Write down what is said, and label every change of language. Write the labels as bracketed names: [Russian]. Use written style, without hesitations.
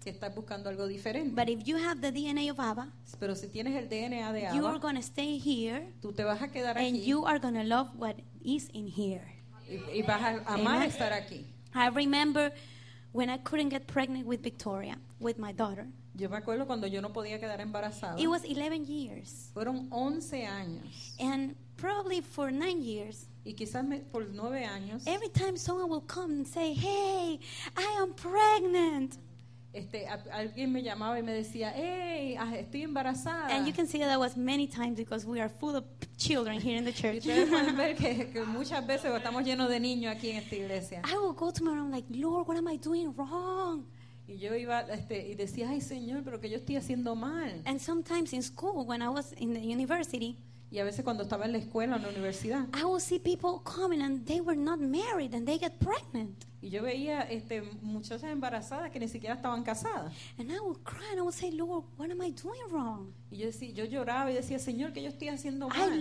[Spanish] Que estás buscando algo diferente. [English] But if you have the DNA of Abba, [Spanish] pero si tienes el DNA de Abba, [English] you are going to stay here. [Spanish] Tú te vas a quedar aquí. [English] And you are going to love what is in here. [Spanish] Y vas a amar estar aquí. [English] I remember when I couldn't get pregnant with Victoria, with my daughter. [Spanish] Yo me acuerdo cuando yo no podía quedar embarazada. [English] It was 11 years. [Spanish] Fueron 11 años. [English] And probably for 9 years. [Spanish] Y quizás por 9 años. [English] Every time someone will come and say, "Hey, I am pregnant." [Spanish] Alguien me llamaba y me decía, "Hey, estoy embarazada." [English] And you can see that was many times because we are full of children here in the church. [Spanish] Y ustedes pueden ver que muchas veces estamos llenos de niños aquí en esta iglesia. [English] I would go to my room like, "Lord, what am I doing wrong?" [Spanish] Y yo iba y decía, "Ay, Señor, pero que yo estoy haciendo mal." [English] And sometimes in school when I was in the university, [Spanish] y a veces cuando estaba en la escuela o en la universidad, [English] I would see people coming and they were not married and they get pregnant. [Spanish] Y yo veía muchachas embarazadas que ni siquiera estaban casadas. [English] And I would cry and I would say, "Lord, what am I doing wrong?" [Spanish] Y yo lloraba y decía, "Señor, ¿qué yo estoy haciendo mal?"